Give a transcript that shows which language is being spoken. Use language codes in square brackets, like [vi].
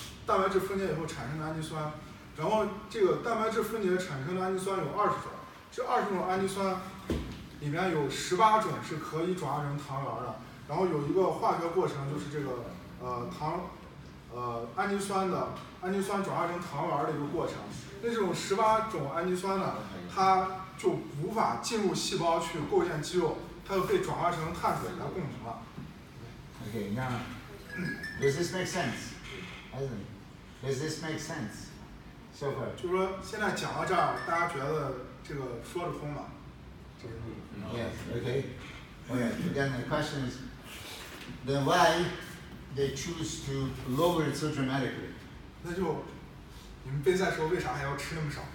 [zh] 蛋白质分解以后产生的氨基酸，然后这个蛋白质分解产生的氨基酸有20种，这20种氨基酸里面有18种是可以转化成糖原的，然后有一个化学过程，就是这个糖氨基酸转化成糖原的一个过程。那这种18种氨基酸呢，它就无法进入细胞去构建肌肉，它就被转化成碳水来供能了。Okay, [en] now, does this make sense? Does this make sense so far? [zh] 就是说现在讲到这儿，大家觉得这个说得通吗？ [en] Yes. Okay. Then the question is, then why they choose to lower it so dramatically? [zh] 那就你们备赛时候为啥还要吃那么少